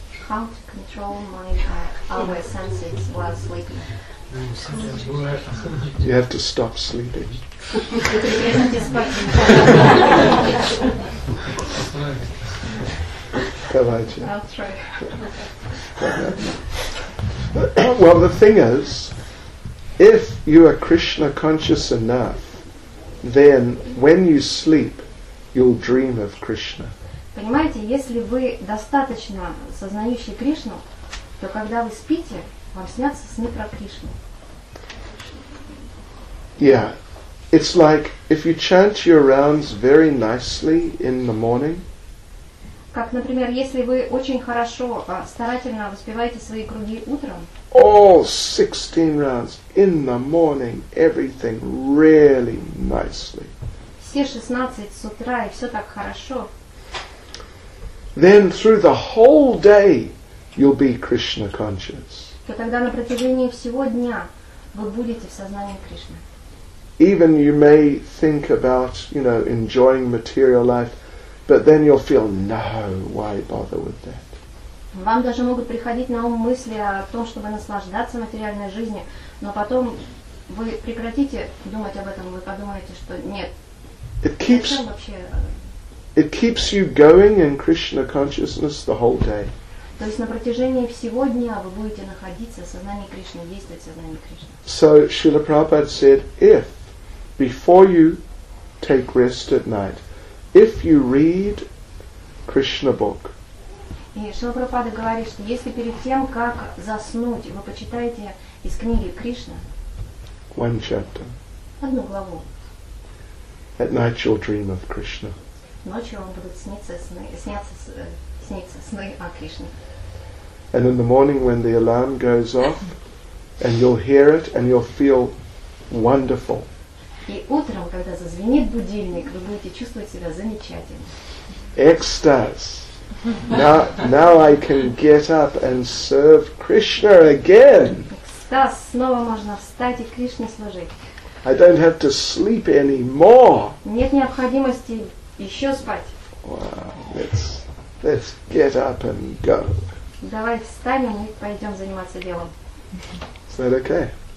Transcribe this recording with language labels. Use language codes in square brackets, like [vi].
[en] How to control my our senses while sleeping? You have to stop sleeping. I'll try. Well, the thing is, if you are Krishna conscious enough, then when you sleep, you'll dream of Krishna. [ru] Понимаете, если вы достаточно сознающий Кришну, то когда вы спите, вам снятся сны про Кришну. [en] Yeah. It's like if you chant your rounds very nicely in the morning. [ru] Как, например, если вы очень хорошо, старательно воспеваете свои круги утром. [en] All 16 rounds in the morning, everything really nicely. [ru] Все 16 с утра и все так хорошо. [en] Then through the whole day you'll be Krishna conscious. [ru] То тогда на протяжении всего дня вы будете в сознании Кришны. [en] Even you may think about, you know, enjoying material life, but then you'll feel, no, why bother with that? [ru] Вам даже могут приходить на ум мысли о том, чтобы наслаждаться материальной жизнью, но потом вы прекратите думать об этом, вы подумаете, что нет. [en] It keeps you going in Krishna consciousness the whole day. [ru] То есть на протяжении всего дня вы будете находиться в сознании Кришны, действовать в сознании Кришны. [en] So Srila Prabhupada said, if before you take rest at night, if you read Krishna book. [ru] И Шрила Прабхупада говорит, что если перед тем, как заснуть, вы почитаете из книги Кришна. [en] One chapter. [ru] Одну главу. [en] At night you'll dream of Krishna. [ru] Ночью вам будут сниться сны о Кришне. [en] And in the morning when the alarm goes off, and you'll hear it, and you'll feel wonderful. [ru] И утром, когда зазвенит будильник, вы будете чувствовать себя замечательно. Экстаз. [en] Now I can get up and serve Krishna again. [ru] Экстаз. Снова можно встать и Кришне служить. [en] I don't have to sleep anymore. [ru] Нет необходимости еще спать. [en] Wow. Let's get up and go. [ru] Давай встанем и пойдем заниматься делом. [en] Is that okay?